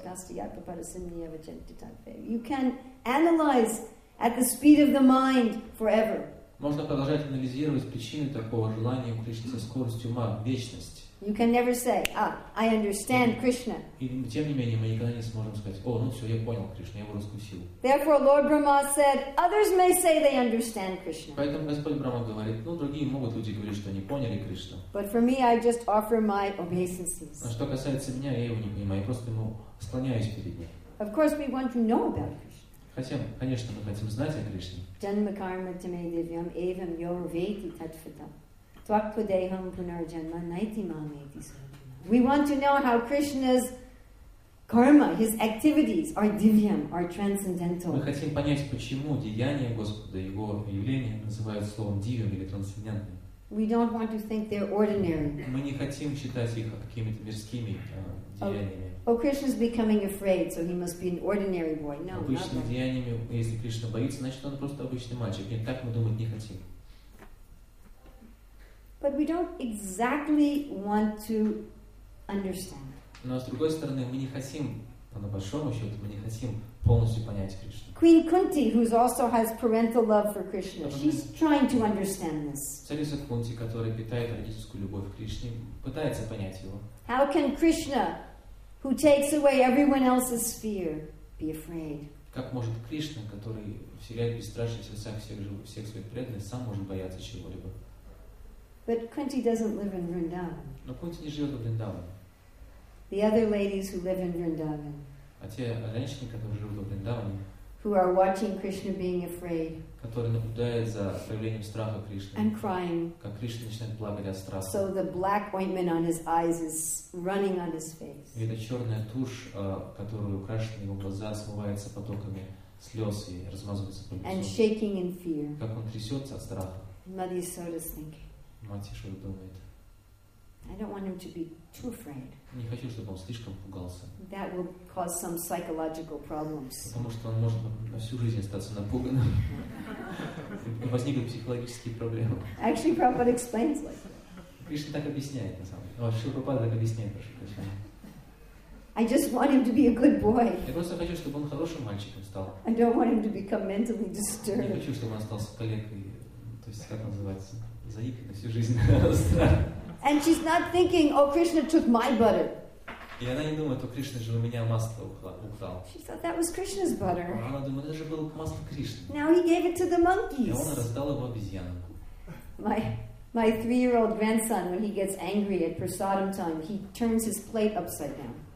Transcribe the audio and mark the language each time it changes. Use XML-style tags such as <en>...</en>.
<en>You can analyze at the speed of the mind forever.</en> <ru>Можно продолжать анализировать причины такого желания у Кришны со скоростью ума, вечность.</ru> <en>You can never say, "Ah, I understand Krishna."</en> <ru>И тем не менее мы никогда не сможем сказать: "О, ну все, я понял Кришну, я его раскусил."</ru> <en>Therefore, Lord Brahma said, "Others may say they understand Krishna."</en> <ru>Поэтому Господь Брахма говорит: "Ну другие могут люди говорить, что они поняли Кришну."</ru> <en>But for me, I just offer my obeisances.</en> <ru>А что касается меня, я его не понимаю, я просто ему склоняюсь перед ним.</ru> <en>Of course, we want to know about Krishna.</en> <ru>Хотим, конечно, мы хотим знать о Кришне.</ru> <sa>Janma karma tame devyam evam yorveti tatvatam. Twakpudeham punarjanma naiti mameti sarvam.</sa> <en>We want to know how Krishna's karma, his activities are divyam, are transcendental.</en> <ru>Мы хотим понять, почему деяния Господа, его явления называют словом дивьям или трансцендентным.</ru> <en>We don't want to think they're ordinary.</en> <ru>Мы не хотим считать их какими-то мирскими деяниями.</ru> <en>Oh, Krishna's becoming afraid, so he must be an ordinary boy. No,</en> <ru>обычными деяниями, если Кришна боится, значит он просто обычный мальчик. Нет, так мы думать не хотим.</ru> <en>But we don't exactly want to understand.</en> <ru>Но с другой стороны, мы не хотим, на большом счете, мы не хотим полностью понять Кришну.</ru> <en>Queen Kunti, who also has parental love for Krishna, she's trying to understand this.</en> <ru>Царица Кунти, которая питает родительскую любовь к Кришне, пытается понять его.</ru> <en>How can Krishna, who takes away everyone else's fear, be afraid?</en> <ru>Как может Кришна, который вселяет бесстрашие сердца всех своих преданных, сам может бояться чего-либо?</ru> <en>But Kunti doesn't live in Vrindavan.</en> <ru>Но Кунти не живет в Вриндаване.</ru> <en>The other ladies who live in Vrindavan.</en> <ru>А те женщины, которые живут в Вриндаване.</ru> <en>Who are watching Krishna being afraid.</en> <ru>Которые наблюдают за проявлением страха Кришны.</ru> <en>And crying.</en> <ru>Как Кришна начинает плакать от страха.</ru> <en>So the black ointment on his eyes is running on his face.</en> <ru>И эта черная тушь, которую украшены его глаза, смывается потоками слез и размазывается по лицу.</ru> <en>And shaking in fear.</en> <ru>Как он трясется от страха.</ru> <en>Mother Yashoda is thinking.</en> <ru>Мать Яшоды думает.</ru> <en>I don't want him to be too afraid.</en> <ru>Не хочу, чтобы он слишком пугался.</ru> <en>That will cause some psychological problems.</en> <ru>Потому что он может на всю жизнь остаться напуганным. Возникнут психологические проблемы.</ru> <en>Actually, Prabhupada explains like that.</en> <ru>Кришна так объясняет, на самом деле. Шрила Прабхупада так объясняет, прошу прощения.</ru> <en>I just want him to be a good boy.</en> <ru>Я просто хочу, чтобы он хорошим мальчиком стал.</ru> <en>I don't want him to become mentally disturbed.</en> <ru>Не хочу, чтобы он остался калекой. То есть, как называется? Заик на всю жизнь.</ru> <en>And she's not thinking, oh, Krishna took my butter.</en> <ru>И она не думает, о, Кришна же у меня масло украл.</ru> <en>She thought that was Krishna's butter.</en> <ru>Она думает, это же было масло Кришны.</ru> <en>Now he gave it to the monkeys.</en> <ru>И он раздал его обезьянам.</ru> <en>My 3-year-old grandson, when he gets angry at prasadam time, he turns his plate upside down.</en>